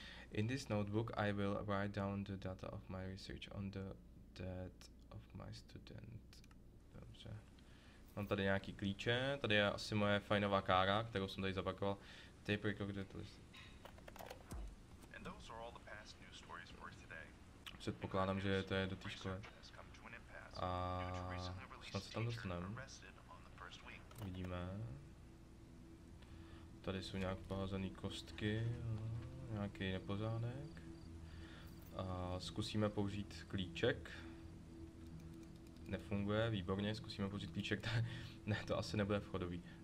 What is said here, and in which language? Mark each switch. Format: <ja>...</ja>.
<en>In this notebook I will write down the data of my research on the death of my student.</en> <cs>Dobře. Mám tady nějaký klíče, tady je asi moje fajnová kára, kterou jsem tady zapakoval.</cs> <en>Tape recorder to list. And those are all the past news stories for today.</en> <cs>Předpokládám, že to je do té školy. A snad se tam dostaneme. Vidíme. Tady jsou nějak pohazené kostky, nějaký nepořádek. A zkusíme použít klíček. Nefunguje, výborně, zkusíme použít klíček, ne, to asi nebude vchodový.</cs>